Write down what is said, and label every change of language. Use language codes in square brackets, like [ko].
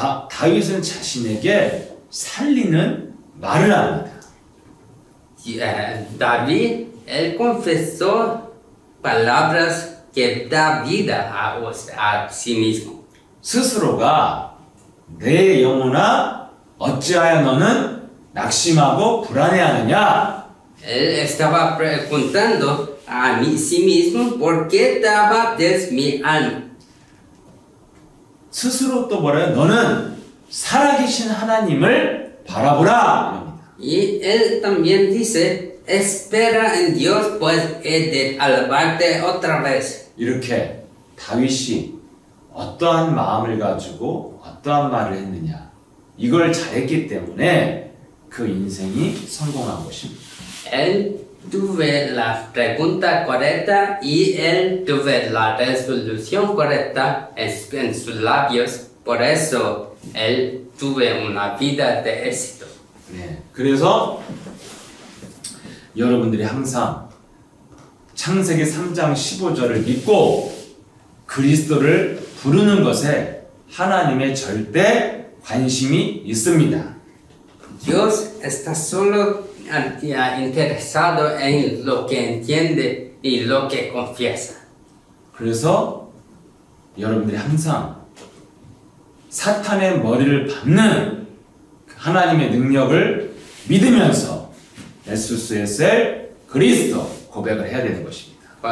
[ko] 다윗은 자신에게 살리는 말을 합니다. [es] David, él confesó palabras que da vida a sí mismo. [ko] 스스로가 내 영혼아 어찌하여 너는 낙심하고 불안해하느냐? [es] Él estaba preguntando a mí sí mismo por qué estaba desmiando. [ko] 스스로 또 뭐래요? 너는 살아계신 하나님을 바라보라. [es] Y él también dice, espera en Dios, pues he de alabarte otra vez. [ko] 이렇게 다윗이 어떠한 마음을 가지고 어떠한 말을 했느냐? 이걸 잘했기 때문에 그 인생이 성공한 것입니다. [es] Él tuve la pregunta correcta y él tuve la resolución correcta en sus labios. Por eso él tuve una vida de éxito. [ko] 네, 그래서 여러분들이 항상 창세기 3장 15절을 믿고 그리스도를 부르는 것에 하나님의 절대 관심이 있습니다. [es] Dios está solo interesado en lo que entiende y lo que confiesa. [ko] 그래서 여러분들이 항상 사탄의 머리를 밟는 하나님의 능력을 믿으면서 SSSL 그리스도 고백을 해야 되는 것입니다.